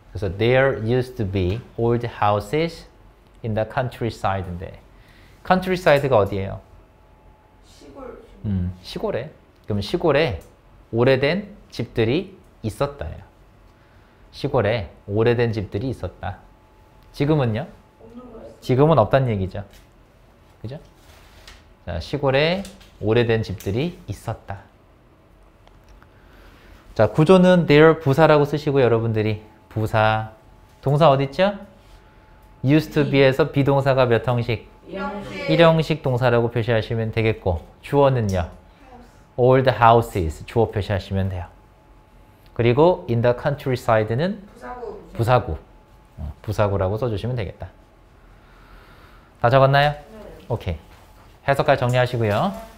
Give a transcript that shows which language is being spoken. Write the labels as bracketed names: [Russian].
[Korean] 그래서 [English] there used to be old houses in the countryside [Korean] 인데 countryside가 어디예요? 시골. 시골에. 그럼 시골에 오래된 집들이 있었다예요. 시골에 오래된 집들이 있었다. 지금은요? 지금은 없다는 얘기죠. 그죠? 자, 시골에 오래된 집들이 있었다. 자, 구조는 there 부사라고 쓰시고 여러분들이 부사 동사 어디 있죠? used to be에서 비동사가 몇 형식? 일형식. 일형식 동사라고 표시하시면 되겠고 주어는요? House. old houses 주어 표시하시면 돼요. 그리고 in the countryside는 부사구. 부사구. 부사구라고 써 주시면 되겠다. 다 적었나요? 네. 오케이. 해석까지 정리하시고요.